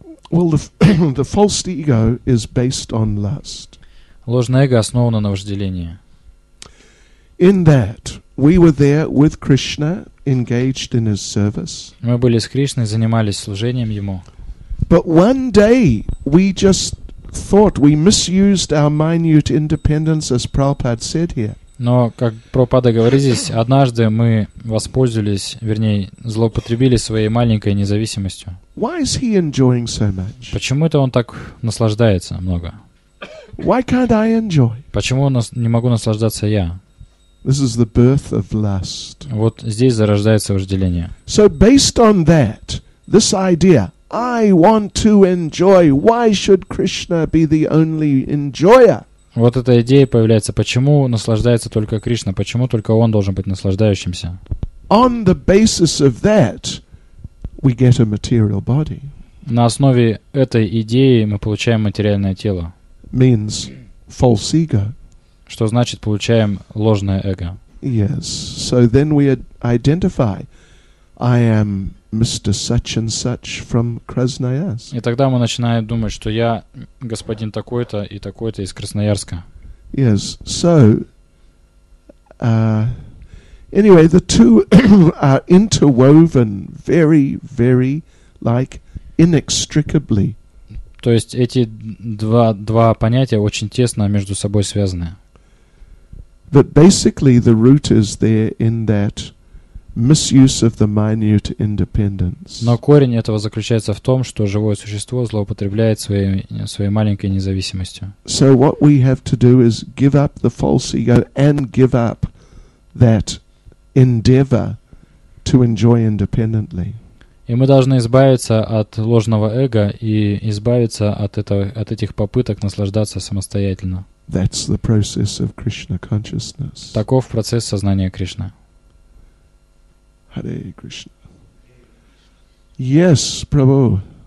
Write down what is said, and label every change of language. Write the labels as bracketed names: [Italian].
[English] Well, the false ego is based on lust. [Russian] Ложное эго основано на вожделении. [English] In that, we were there with Krishna, engaged in his service. [Russian] Мы были с Кришной, занимались служением ему. [English] But one day, we just thought we misused our minute independence, as Prabhupada said here. [Russian] Но, как Прабхупада говорит здесь, однажды мы воспользовались, вернее, злоупотребили своей маленькой независимостью. [English] Why is he enjoying so much? [Russian] Почему это он так наслаждается много? [English] Why can't I enjoy? [Russian] Почему не могу наслаждаться я? [English] This is the birth of lust. [Russian] Вот здесь зарождается вожделение. [English] So based on that, this idea, I want to enjoy. Why should Krishna be the only enjoyer? [Russian] Вот эта идея появляется. Почему наслаждается только Кришна? Почему только он должен быть наслаждающимся? [English] On the basis of that, we get a material body. [Russian] На основе этой идеи мы получаем материальное тело. [English] Means false ego. [Russian] Что значит получаем ложное эго? [English] Yes. So then we identify. I am Mr. Such and Such from Krasnoyarsk. [Russian] И тогда мы начинаем думать, что я господин такой-то и такой-то из Красноярска. [English] Yes. So, anyway, the two are interwoven very, very, like, inextricably. [Russian] То есть эти два понятия очень тесно между собой связаны. [English] But basically, the root is there in that misuse of the minute independence. [Russian] Но корень этого заключается в том, что живое существо злоупотребляет своей маленькой независимостью. [English] So what we have to do is give up the false ego and give up that endeavor to enjoy independently. [Russian] И мы должны избавиться от ложного эго и избавиться от этих попыток наслаждаться самостоятельно. [English] That's the process of Krishna consciousness. [Russian] Таков процесс сознания Кришны. [English] Hare Krishna. Yes, Prabhu.